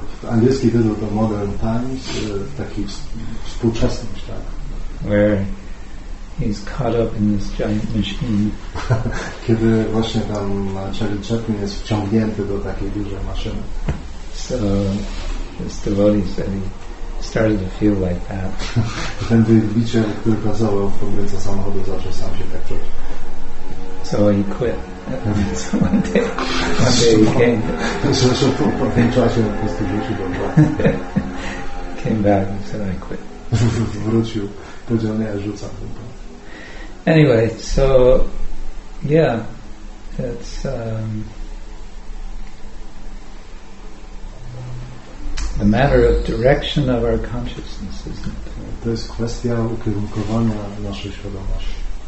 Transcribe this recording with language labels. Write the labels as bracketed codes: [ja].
[pl] Angielski tytuł to Modern Times, taki współczesność, tak? [en] Where he's caught up in this giant machine. [pl] Kiedy właśnie tam Charlie Chaplin jest wciągnięty do takiej dużej maszyny. [en] So this devotee said he started to feel like that. [pl] Ten wielbiciel, który pracował w fabryce samochodu, zaczął sam się tak czuć. [en] So he quit. So one day he came. [pl] Zresztą po tym czasie po prostu wrócił do pracy. [en] Came back and said, I quit. [pl] Wrócił, powiedział, nie, rzucam tę pracę. [en] Anyway, so yeah, that's the matter of direction of our consciousness, isn't it? [pl] To jest kwestia ukierunkowania naszej świadomości.